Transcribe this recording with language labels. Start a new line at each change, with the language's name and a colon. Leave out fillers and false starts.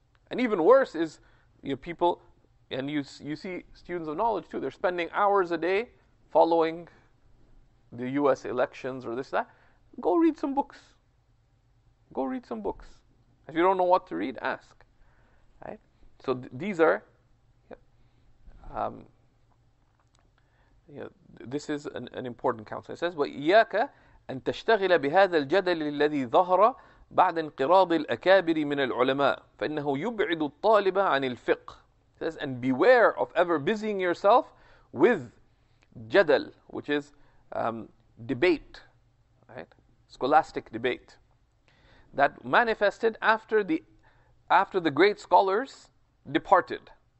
English: And even worse is, you know, people, and you see students of knowledge too, they're spending hours a day following the US elections or this, that. Go read some books. Go read some books. If you don't know what to read, ask. Right? So these are, this is an important counsel.
Arabic: It says, وَإِيَّاكَ أَن تَشْتَغِلَ بِهَذَا الْجَدَلِ الَّذِي ظَهَرَ بعد انقراض الأكابر من العلماء فإنه يبعد الطالب عن الفقه
English: says, and beware of ever busying yourself with jadal, which is debate, right? Scholastic debate that manifested after the great scholars departed.